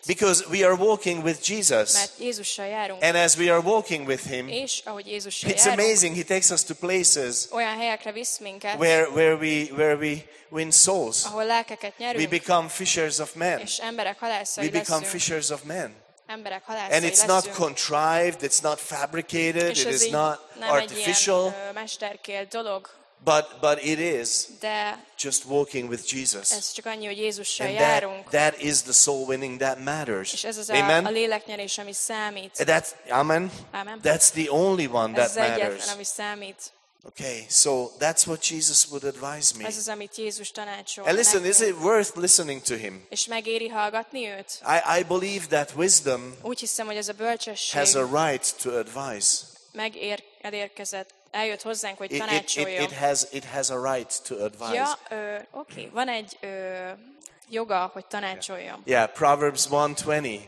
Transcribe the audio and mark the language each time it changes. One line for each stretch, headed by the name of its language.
English: Because we are walking with Jesus.
Hungarian: Mert Jézussal járunk.
English: And as we are walking with him,
Hungarian: és ahogy Jézussal
English: it's
Hungarian: járunk,
English: amazing. He takes us to places
Hungarian: olyan helyekre visz minket,
English: where we win souls.
Hungarian: Ahol lelkeket nyerünk.
English: We become fishers of men.
Hungarian: És emberek halászai leszünk.
English: We become fishers of men.
Hungarian: Emberek halászai leszünk.
English: And it's not contrived, it's not fabricated, it is not artificial.
Hungarian: Nem egy ilyen mesterkélt dolog.
English: But it is just walking with Jesus.
Hungarian: Ez csak annyi, hogy Jézussal
English: and
Hungarian: járunk.
English: That is the soul winning that matters.
Hungarian: És ez az amen? A léleknyerés, ami számít.
English: That's, amen.
Hungarian: Amen.
English: That's the only one
Hungarian: ez
English: that matters.
Hungarian: Ez az egyetlen, ami számít.
English: Okay, so that's what Jesus would advise me.
Hungarian: Ez az, amit Jézus tanácsol.
English: And listen, is it worth listening to him?
Hungarian: És megéri hallgatni őt?
English: I believe that wisdom
Hungarian: úgy hiszem, hogy ez a bölcsesség
English: has a right to advise.
Hungarian: Elérkezett, eljött hozzánk, hogy tanácsoljon.
English: It has a right to advise.
Hungarian: Ja, okay, van egy joga, hogy tanácsoljon.
English: Yeah, Proverbs 1:20.